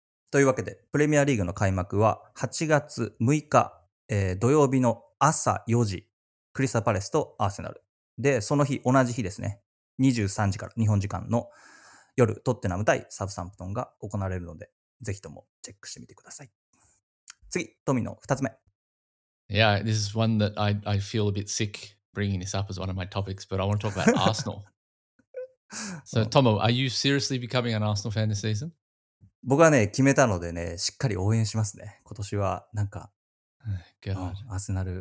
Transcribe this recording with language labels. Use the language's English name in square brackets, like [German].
[Japanese] というわけで、プレミアリーグの開幕は8月6日、土曜日の朝4時、クリスタルパレスとアーセナル。で、その日、同じ日ですね。23時から、日本時間の夜、トッテナム対サブサンプトンが行われるので、ぜひともチェックしてみてください。次、トミの2つ目。 [English] Yeah, this is one that I feel a bit sick bringing this up as one of my topics, but I want to talk about Arsenal. So, Tomo, are you seriously becoming an Arsenal fan this season? [Japanese] 僕はね、決めたのでね、しっかり応援しますね。今年は、なんか、アーセナル。